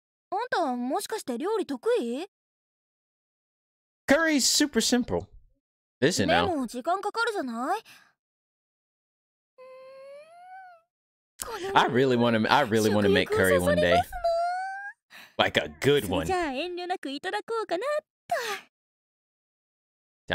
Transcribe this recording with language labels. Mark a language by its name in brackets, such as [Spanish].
[Japanese] あんたもしかして料理得意? [English] Curry's super simple. Is it now? [Japanese] でも時間かかるじゃない? [English] I really want to make curry one day. Like a good one. [Japanese] じゃあ遠慮なくいただこうかなっと。